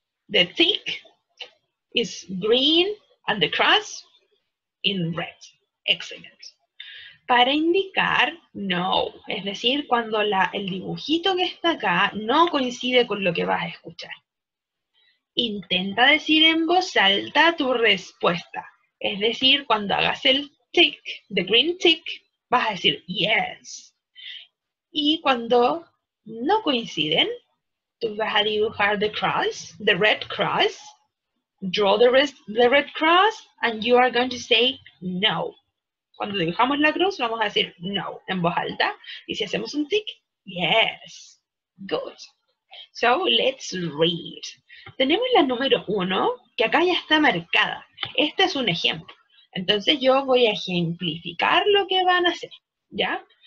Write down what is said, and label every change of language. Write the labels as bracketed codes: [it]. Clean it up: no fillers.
[en] The tick is green and the cross in red. Excellent. [es] Para indicar no, es decir, cuando el dibujito que está acá no coincide con lo que vas a escuchar. Intenta decir en voz alta tu respuesta. Es decir, cuando hagas el tick, [en] the green tick, [es] vas a decir yes. Y cuando no coinciden, tú vas a dibujar [en] the cross, the red cross. Draw the red cross and you are going to say no. [es] Cuando dibujamos la cruz, vamos a decir no en voz alta. Y si hacemos un tick, yes. [en] Good. So, let's read. [es] Tenemos la número uno, que acá ya está marcada. Este es un ejemplo. Entonces, yo voy a ejemplificar lo que van a hacer. ¿Ya?